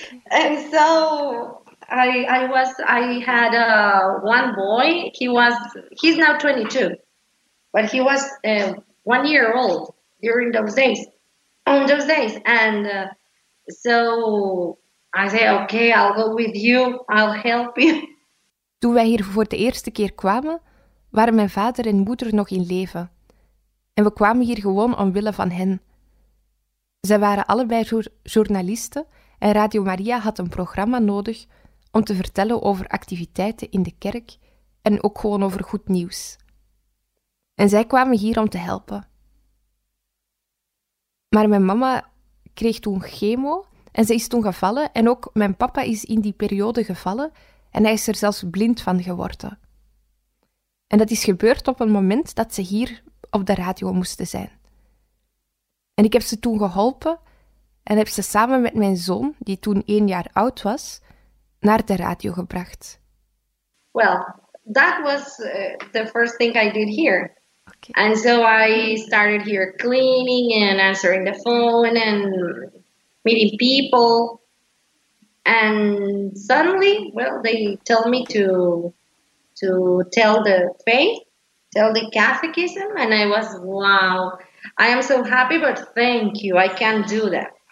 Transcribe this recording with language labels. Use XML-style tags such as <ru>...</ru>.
<en>And so I had one boy. He's now 22, but he was 1 year old during those days. And so I said, okay, I'll go with you. I'll help you.</en> <nl>Toen wij hier voor de eerste keer kwamen, waren mijn vader en moeder nog in leven. En we kwamen hier gewoon omwille van hen. Zij waren allebei journalisten en Radio Maria had een programma nodig om te vertellen over activiteiten in de kerk en ook gewoon over goed nieuws. En zij kwamen hier om te helpen. Maar mijn mama kreeg toen chemo en ze is toen gevallen en ook mijn papa is in die periode gevallen. En hij is er zelfs blind van geworden. En dat is gebeurd op een moment dat ze hier op de radio moesten zijn. En ik heb ze toen geholpen en heb ze samen met mijn zoon, die toen 1 jaar oud was, naar de radio gebracht.</nl> <en>Well, that was the first thing I did here. Okay. And so I started here cleaning and answering the phone and meeting people. And suddenly, well, they tell me to tell the faith, tell the catechism, and I was, wow, I am so happy, but thank you, I can't do that.</en>